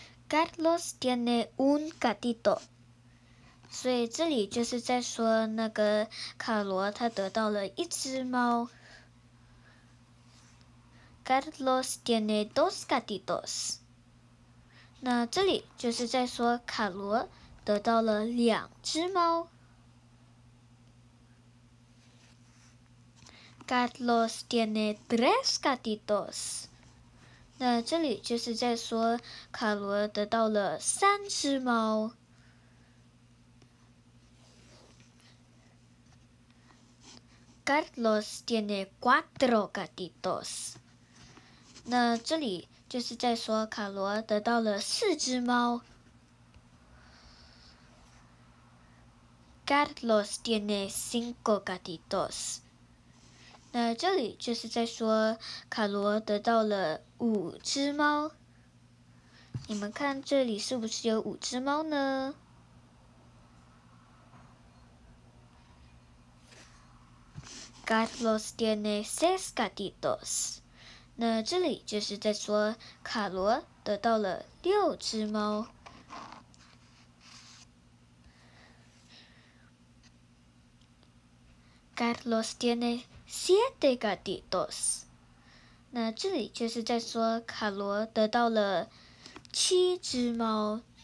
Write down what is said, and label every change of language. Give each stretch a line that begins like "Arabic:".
Spanish: Carlos tiene un gatito，
Chinese: 所以这里就是在说那个卡罗他得到了一只猫。
Spanish: Carlos tiene dos gatitos，
Chinese: 那这里就是在说卡罗得到了两只猫。
Spanish: Carlos tiene tres gatitos。
Chinese: 那这里就是在说卡罗得到了三只猫。
Spanish: Carlos tiene cuatro gatitos。
Chinese: 那这里就是在说卡罗得到了四只猫。
Spanish: Carlos tiene cinco gatitos。
Chinese: 那这里就是在说卡罗得到了五只猫，你们看这里是不是有五只猫呢？
Spanish: Carlos tiene seis gatitos。
Chinese: 那这里就是在说卡罗得到了六只猫。
Spanish: Carlos tiene siete gatitos，
Chinese: 那这里就是在说卡罗得到了七只猫。